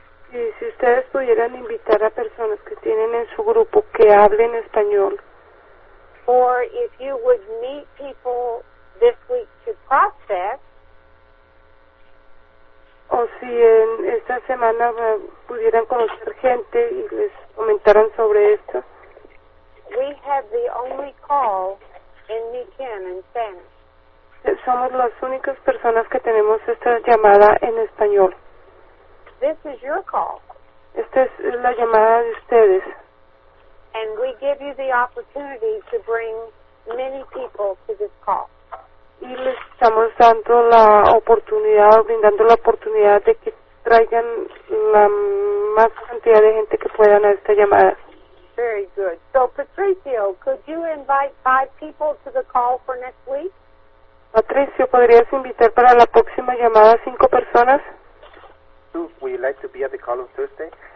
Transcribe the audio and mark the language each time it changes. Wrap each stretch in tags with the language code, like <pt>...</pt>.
<es>Y si ustedes pudieran invitar a personas que tienen en su grupo que hablen español.</es> <en>Or if you would meet people this week to process.</en> <es>O si en esta semana pudieran conocer gente y les comentaran sobre esto.</es> <en>We have the only call in Nican in Spanish.</en> <es>Somos las únicas personas que tenemos esta llamada en español.</es> <en>This is your call.</en> <es>Esta es la llamada de ustedes.</es> <en>And we give you the opportunity to bring many people to this call.</en> <es>Y les estamos dando la oportunidad, brindando la oportunidad de que traigan la más cantidad de gente que puedan a esta llamada.</es> <en>Very good. So, Patricio, could you invite 5 people to the call for next week?</en> <es>Patricio, ¿podrías invitar para la próxima llamada 5 personas?</es> <en>Would you like to be at the call on Thursday?</en>